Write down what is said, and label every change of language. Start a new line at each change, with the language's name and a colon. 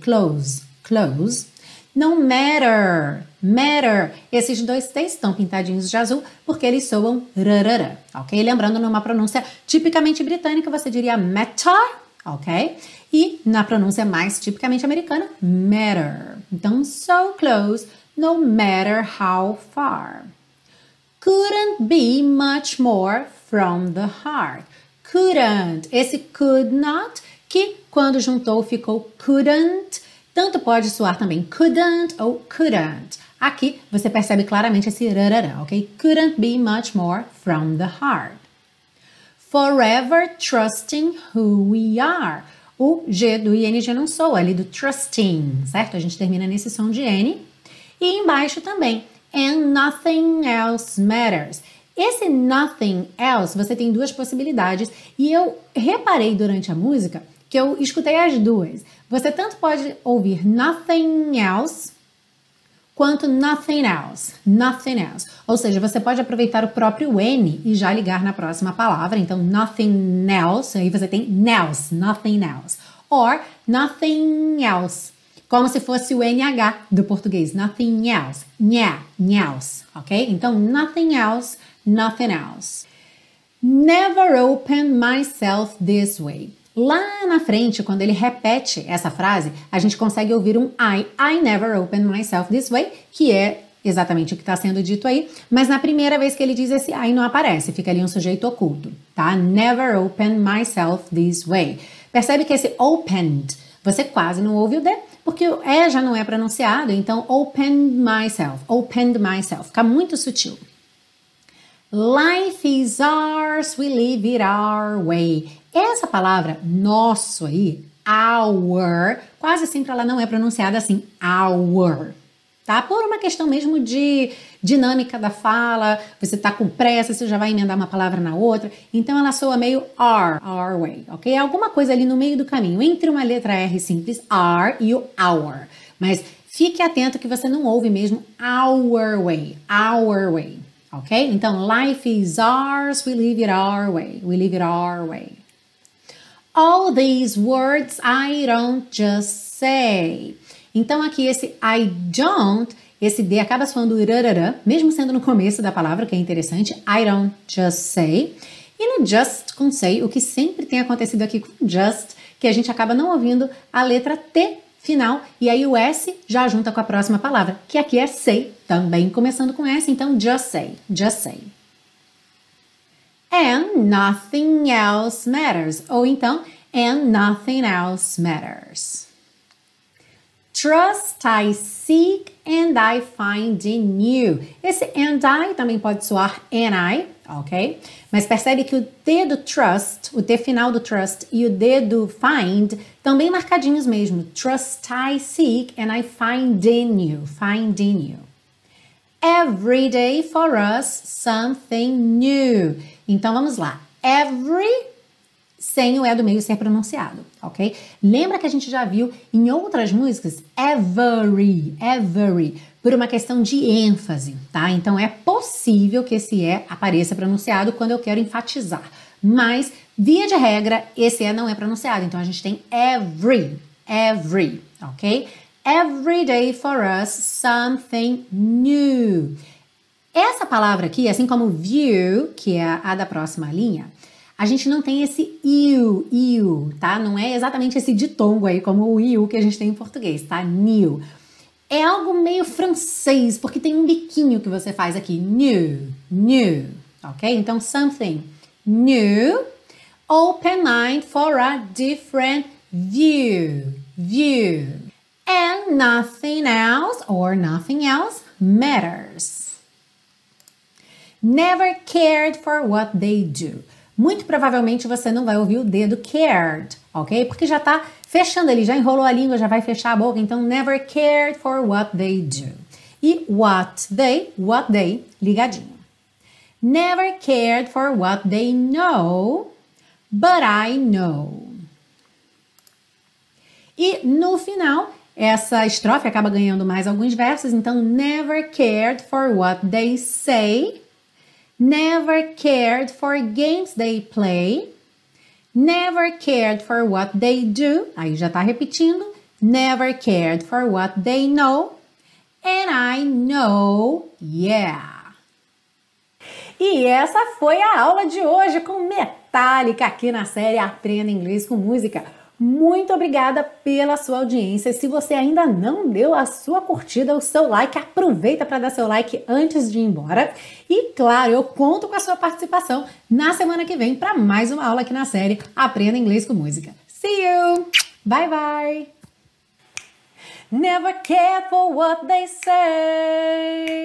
English: Close, close. No matter, matter.
Portuguese: Esses dois T's estão pintadinhos de azul, porque eles soam rarara, ok? Lembrando, numa pronúncia tipicamente britânica, você diria matter, ok? E na pronúncia mais tipicamente americana, matter.
English: Então, so close, no matter how far. Couldn't be much more from the heart.
Portuguese: Couldn't, esse could not, que quando juntou ficou couldn't, tanto pode soar também couldn't ou couldn't. Aqui você percebe claramente esse rarará, ok?
English: Couldn't be much more from the heart. Forever trusting who we are.
Portuguese: O G do ING não soa ali do trusting, certo? A gente termina nesse som de N. E embaixo também,
English: and nothing else matters.
Portuguese: Esse nothing else, você tem duas possibilidades e eu reparei durante a música que eu escutei as duas. Você tanto pode ouvir
English: nothing else quanto nothing else, nothing else.
Portuguese: Ou seja, você pode aproveitar o próprio N e já ligar na próxima palavra.
English: Então, nothing else,
Portuguese: aí você tem
English: else, nothing else. Or nothing else,
Portuguese: como se fosse o NH do português,
English: nothing else,
Portuguese: nha, else, ok?
English: Então, nothing else, nothing else. Never open myself this way.
Portuguese: Lá na frente, quando ele repete essa frase, a gente consegue ouvir um
English: I never open myself this way,
Portuguese: que é exatamente o que está sendo dito aí, mas na primeira vez que ele diz esse I não aparece, fica ali um sujeito oculto, tá?
English: Never open myself this way.
Portuguese: Percebe que esse opened, você quase não ouve o D, porque o E já não é pronunciado, então
English: opened myself,
Portuguese: fica muito sutil.
English: Life is ours, we live it our way.
Portuguese: Essa palavra nosso aí, our, quase sempre ela não é pronunciada assim, our, tá? Por uma questão mesmo de dinâmica da fala, você tá com pressa, você já vai emendar uma palavra na outra, então ela soa meio
English: our way,
Portuguese: ok? Alguma coisa ali no meio do caminho, entre uma letra R simples, our, e o our, mas fique atento que você não ouve mesmo
English: our way,
Portuguese: ok?
English: Então, life is ours, we live it our way, we live it our way. All these words I don't just say.
Portuguese: Então, aqui esse I don't, esse D acaba soando irarara, mesmo sendo no começo da palavra, que é interessante,
English: I don't just say.
Portuguese: E no just com say, o que sempre tem acontecido aqui com just, que a gente acaba não ouvindo a letra T final, e aí o S já junta com a próxima palavra, que aqui é say, também começando com S, então
English: just say,
Portuguese: just say.
English: And nothing else matters.
Portuguese: Ou então,
English: and nothing else matters. Trust I seek and I find in you.
Portuguese: Esse
English: and I
Portuguese: também pode soar and I, ok? Mas percebe que o T do trust, o T final do trust e o D do find estão bem marcadinhos mesmo.
English: Trust I seek and I find in you. Find in you. Every day for us, something new.
Portuguese: Então, vamos lá. Every, sem o E do meio ser pronunciado, ok? Lembra que a gente já viu em outras músicas, every, every, por uma questão de ênfase, tá? Então, é possível que esse E apareça pronunciado quando eu quero enfatizar. Mas, via de regra, esse E não é pronunciado. Então, a gente tem every, every, ok?
English: Every day for us, something new.
Portuguese: Essa palavra aqui, assim como view, que é a da próxima linha, a gente não tem esse you, you, tá? Não é exatamente esse ditongo aí, como o you que a gente tem em português, tá? New. É algo meio francês, porque tem um biquinho que você faz aqui.
English: New, new, ok? Então, something new, open mind for a different view, view. And nothing else, or nothing else, matters. Never cared for what they do.
Portuguese: Muito provavelmente você não vai ouvir o D do cared, ok? Porque já tá fechando ali, já enrolou a língua, já vai fechar a boca.
English: Então, never cared for what they do. E what they, ligadinho. Never cared for what they know, but I know.
Portuguese: E no final, essa estrofe acaba ganhando mais alguns versos, então
English: never cared for what they say, never cared for games they play, never cared for what they do, aí já tá repetindo, never cared for what they know, and I know, yeah.
Portuguese: E essa foi a aula de hoje com Metallica aqui na série Aprenda Inglês com Música. Muito obrigada pela sua audiência. Se você ainda não deu a sua curtida, o seu like, aproveita para dar seu like antes de ir embora. E, claro, eu conto com a sua participação na semana que vem para mais uma aula aqui na série Aprenda Inglês com Música.
English: See you! Bye, bye! Never care for what they say.